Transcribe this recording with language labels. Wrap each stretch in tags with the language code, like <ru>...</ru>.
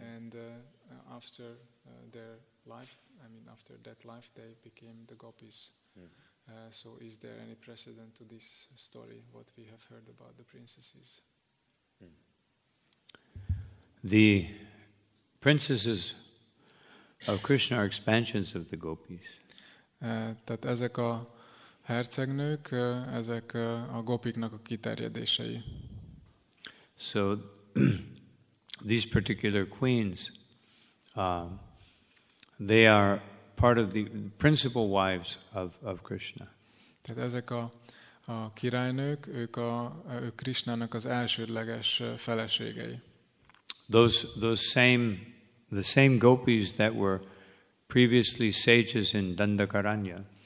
<en>and after their life, I mean after that life, they became the gopis. Mm-hmm. So is there any precedent to this story, what we have heard about the princesses? The princesses of Krishna are expansions of the gopis.</en> <hu>Tehát ezek a hercegnők, ezek a gopiknak a kiterjedései.</hu> <en>So these particular queens, they are part of the principal wives of Krishna.</en> <hu>Tehát ezek a királynők, ők Krishnának az elsődleges feleségei.</hu> <en>The same gopis that were previously sages in Dandakaranya.</en>